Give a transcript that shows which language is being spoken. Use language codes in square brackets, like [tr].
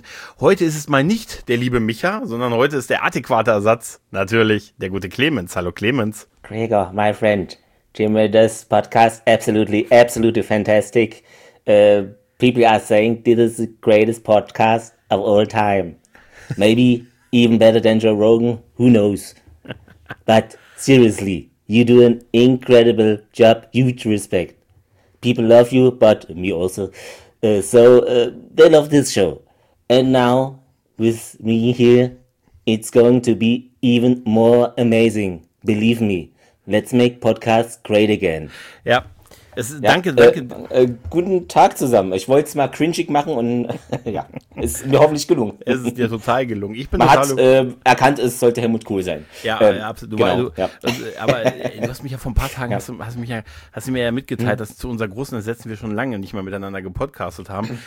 [de] Und heute ist es mal nicht der liebe Micha, sondern heute ist der adäquate Ersatz natürlich der gute Clemens. Hallo Clemens. [en] Gregor, my friend, Jimmy, this podcast absolutely, absolutely fantastic. People are saying this is the greatest podcast of all time. Maybe even better than Joe Rogan, who knows. But seriously, you do an incredible job. Huge respect. People love you, but me also. So they love this show. And now, with me here, it's going to be even more amazing. Believe me. Let's make podcasts great again. [de] Ja, danke. Guten Tag zusammen. Ich wollte es mal cringig machen und ja, ist mir hoffentlich gelungen. Es ist dir total gelungen. Ich bin erkannt, es sollte Helmut Kohl sein. Ja, absolut. Genau, du hast mich ja vor ein paar Tagen, hast du mir ja mitgeteilt, dass zu unserer großen Ersetzung wir schon lange nicht mehr miteinander gepodcastet haben.